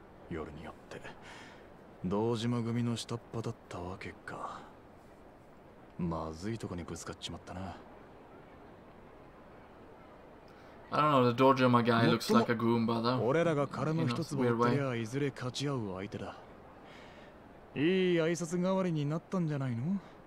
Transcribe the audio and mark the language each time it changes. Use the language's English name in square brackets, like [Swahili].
[Japanese] 夜によって道島組の下っ端だったわけか。まずいとこにぶつかっちまったな。 [English] I don't know, the Dojima guy looks like a goomba though. [Japanese] 俺らが彼の一つを取りゃいずれ勝ち合う相手だ。いい挨拶代わりになったんじゃないの？